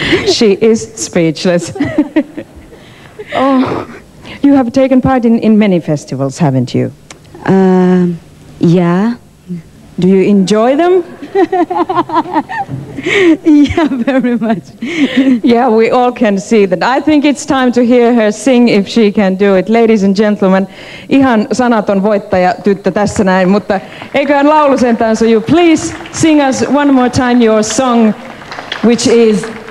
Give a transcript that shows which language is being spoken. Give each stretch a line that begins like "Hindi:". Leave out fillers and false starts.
English: She is speechless. Oh, you have taken part in many festivals, haven't you? Yeah. Do you enjoy them? Yeah, very much. Yeah, we all can see that. I think it's time to hear her sing if she can do it. Ladies and gentlemen,
Finnish: ihan sanaton voittaja tyttö tässä näin, mutta eiköhän laulu sentään suju.
English: Please sing us one more time your song, which is...